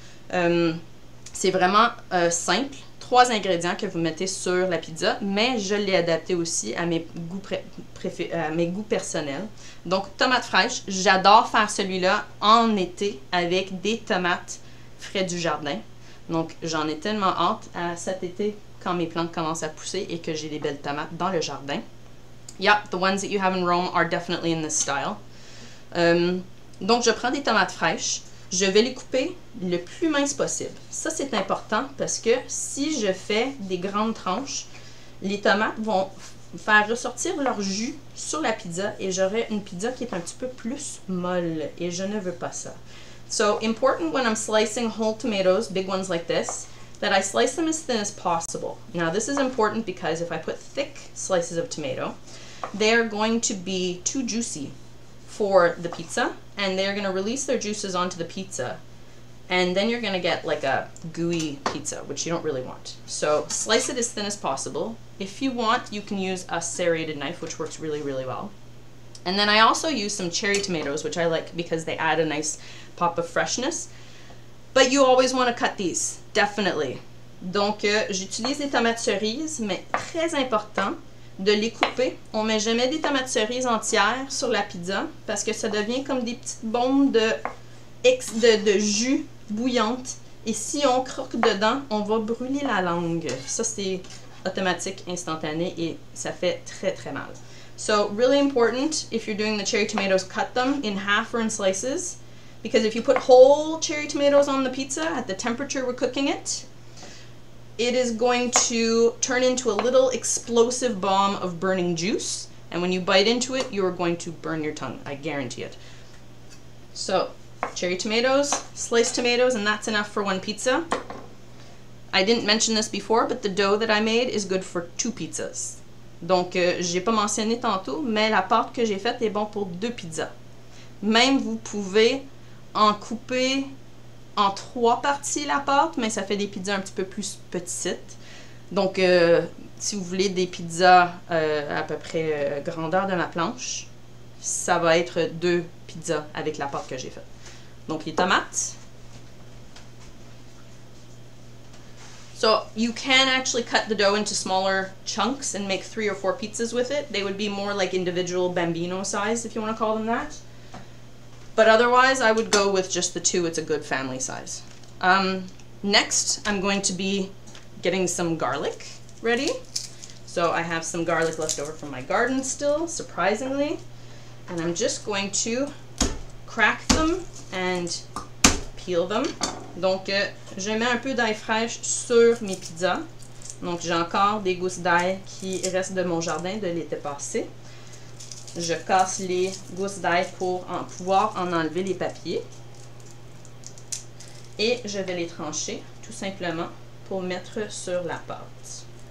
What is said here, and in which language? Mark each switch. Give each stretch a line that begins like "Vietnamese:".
French: C'est vraiment simple. Trois ingrédients que vous mettez sur la pizza, mais je l'ai adapté aussi à mes goûts personnels. Donc, tomates fraîches, j'adore faire celui-là en été avec des tomates frais du jardin. Donc, j'en ai tellement hâte à cet été quand mes plantes commencent à pousser et que j'ai des belles tomates dans le jardin.
English: Yep, the ones that you have in Rome are definitely in this style.
French: Donc, je prends des tomates fraîches, je vais les couper le plus mince possible. Ça, c'est important parce que si je fais des grandes tranches, les tomates vont faire ressortir leur jus sur la pizza et j'aurai une pizza qui est un petit peu plus molle et je ne veux pas ça.
English: So, important when I'm slicing whole tomatoes, big ones like this, that I slice them as thin as possible. Now, this is important because if I put thick slices of tomato, they are going to be too juicy for the pizza, and they're gonna release their juices onto the pizza, and then you're gonna get like a gooey pizza, which you don't really want. So slice it as thin as possible. If you want, you can use a serrated knife, which works really, really well. And then I also use some cherry tomatoes, which I like because they add a nice pop of freshness. But you always wanna cut these, definitely.
French: Donc, j'utilise des tomates cerises, mais très important, de les couper. On met jamais des tomates cerises entières sur la pizza parce que ça devient comme des petites bombes de jus bouillante. Et si on croque dedans, on va brûler la langue. Ça, c'est automatique, instantané et ça fait très, très mal.
English: So, really important, if you're doing the cherry tomatoes, cut them in half or in slices. Because if you put whole cherry tomatoes on the pizza at the temperature we're cooking it, it is going to turn into a little explosive bomb of burning juice. And when you bite into it, you are going to burn your tongue. I guarantee it. So, cherry tomatoes, sliced tomatoes, and that's enough for one pizza. I didn't mention this before, but the dough that I made is good for two pizzas.
French: Donc, j'ai pas mentionné tantôt, mais la pâte que j'ai faite est bon pour deux pizzas. Même vous pouvez en couper en trois parties la pâte, mais ça fait des pizzas un petit peu plus petites. Donc, si vous voulez des pizzas à peu près grandeur de ma planche, ça va être deux pizzas avec la pâte que j'ai faite. Donc, les tomates.
English: So you can actually cut the dough into smaller chunks and make 3 or 4 pizzas with it. They would be more like individual bambino size, if you want to call them that. But otherwise, I would go with just the two. It's a good family size. Next, I'm going to be getting some garlic ready. So I have some garlic left over from my garden still, surprisingly. And I'm just going to crack them and peel them.
French: Donc, je mets un peu d'ail fraîche sur mes pizzas. Donc, j'ai encore des gousses d'ail qui restent de mon jardin de l'été passé. Je casse les gousses d'ail pour en pouvoir en enlever les papiers. Et je vais les trancher tout simplement pour mettre sur la pâte.